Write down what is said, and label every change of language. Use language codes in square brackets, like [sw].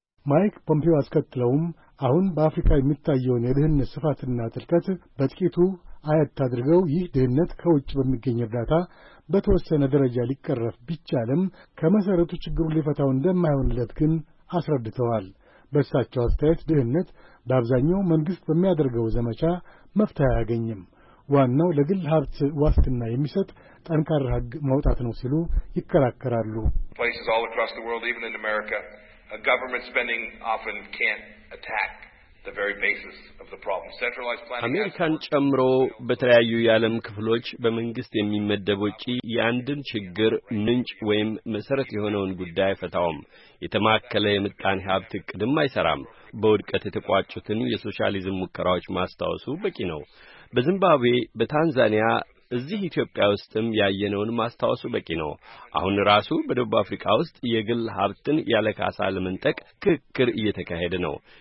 [am] ማይክ ፖምፒዮ አስከትለውም አሁን በአፍሪካ የሚታየውን የድህነት ስፋትና ጥልቀት በጥቂቱ አያት አድርገው ይህ ድህነት ከውጭ በሚገኝ እርዳታ በተወሰነ ደረጃ ሊቀረፍ ቢቻለም ከመሰረቱ ችግሩ ሊፈታው እንደማይሆንለት ግን አስረድተዋል። በእሳቸው አስተያየት ድህነት በአብዛኛው መንግስት በሚያደርገው ዘመቻ መፍትሄ አያገኝም። ዋናው ለግል ሀብት ዋስትና የሚሰጥ ጠንካራ ህግ ማውጣት ነው ሲሉ ይከራከራሉ። [en] Places all across the world, even in America, a government spending often can't attack the very basis of the problem. Centralized planning [am] አሜሪካን ጨምሮ በተለያዩ የዓለም ክፍሎች በመንግስት የሚመደብ ወጪ ያንድን ችግር ምንጭ ወይም መሰረት የሆነውን ጉዳይ ፈታውም የተማከለ የምጣኔ ሀብት ቅድም አይሰራም። በውድቀት የተቋጩትን የሶሻሊዝም ሙከራዎች ማስተዋወሱ በቂ ነው። በዚምባብዌ፣ በታንዛኒያ እዚህ ኢትዮጵያ ውስጥም ያየነውን ማስተዋወሱ በቂ ነው። አሁን ራሱ በደቡብ አፍሪካ ውስጥ የግል ሀብትን ያለካሳ ለመንጠቅ ክክር እየተካሄደ ነው።